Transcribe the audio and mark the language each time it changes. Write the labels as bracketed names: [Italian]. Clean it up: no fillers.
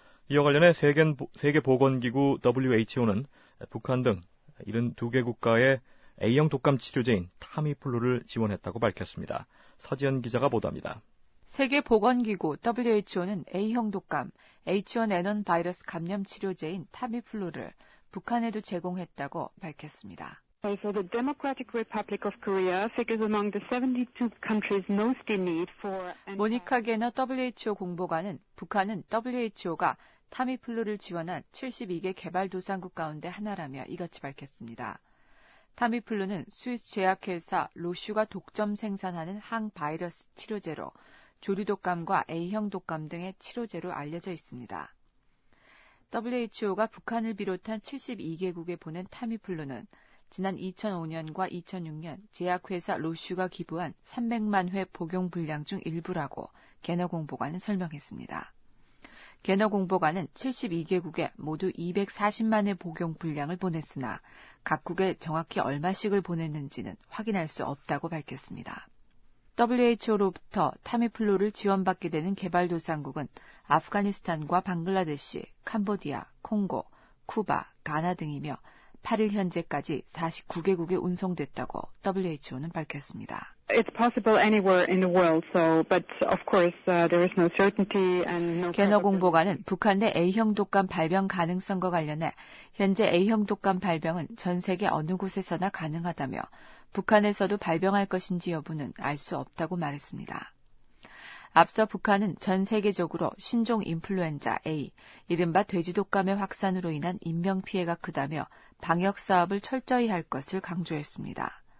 [Korean] 이와 관련해 세계보건기구 WHO는 북한 등 72개 국가에 A형 독감 치료제인 타미플루를 지원했다고 밝혔습니다. 서지연 기자가 보도합니다. 세계보건기구 WHO는 A형 독감 H1N1 바이러스 감염 치료제인 타미플루를 북한에도 제공했다고 밝혔습니다. [English] Also, the Democratic Republic of Korea figures among the 72 countries most in need for. [Korean] 모니카 게너 WHO 공보관은 북한은 WHO가 타미플루를 지원한 72개 개발도상국 가운데 하나라며 이같이 밝혔습니다. 타미플루는 스위스 제약회사 로슈가 독점 생산하는 항바이러스 치료제로 조류독감과 A형 독감 등의 치료제로 알려져 있습니다. WHO가 북한을 비롯한 72개국에 보낸 타미플루는 지난 2005년과 2006년 제약회사 로슈가 기부한 300만 회 복용 분량 중 일부라고 게너 공보관은 설명했습니다. 게너 공보관은 72개국에 모두 240만 회 복용 분량을 보냈으나 각국에 정확히 얼마씩을 보냈는지는 확인할 수 없다고 밝혔습니다. WHO로부터 타미플루를 지원받게 되는 개발도상국은 아프가니스탄과 방글라데시, 캄보디아, 콩고, 쿠바, 가나 등이며 8일 현재까지 49개국에 운송됐다고 WHO는 밝혔습니다. [English] It's possible anywhere in the world, so but of course there is no certainty and no. [Korean] 게너 공보관은 북한 내 A형 독감 발병 가능성과 관련해 현재 A형 독감 발병은 전 세계 어느 곳에서나 가능하다며 북한에서도 발병할 것인지 여부는 알 수 없다고 말했습니다. 앞서 북한은 전 세계적으로 신종 인플루엔자 A, 이른바 돼지독감의 확산으로 인한 인명피해가 크다며 방역사업을 철저히 할 것을 강조했습니다.